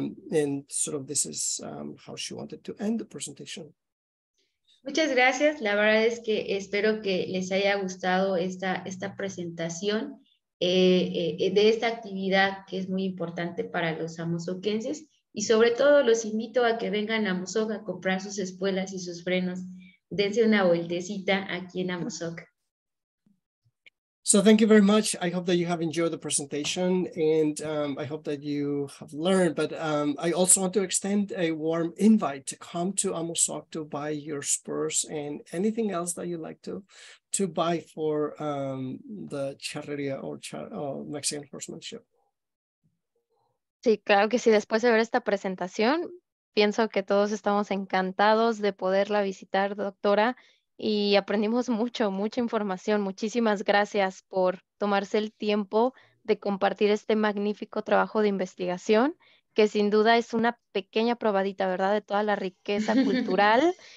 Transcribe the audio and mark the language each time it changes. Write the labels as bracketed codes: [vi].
[en] This is how she wanted to end the presentation. [es] Muchas gracias. La verdad es que espero que les haya gustado esta presentación de esta actividad que es muy importante para los amozoquenses, y sobre todo los invito a que vengan a Amozoc a comprar sus espuelas y sus frenos. Dense una vueltecita aquí en Amozoc. [en] So thank you very much. I hope that you have enjoyed the presentation and I hope that you have learned, but I also want to extend a warm invite to come to Amozoc to buy your spurs and anything else that you'd like to buy for the charrería or Mexican horsemanship. [es] Sí, claro que sí. Después de ver esta presentación, pienso que todos estamos encantados de poderla visitar, doctora, y aprendimos mucho, mucha información. Muchísimas gracias por tomarse el tiempo de compartir este magnífico trabajo de investigación, que sin duda es una pequeña probadita, ¿verdad?, de toda la riqueza cultural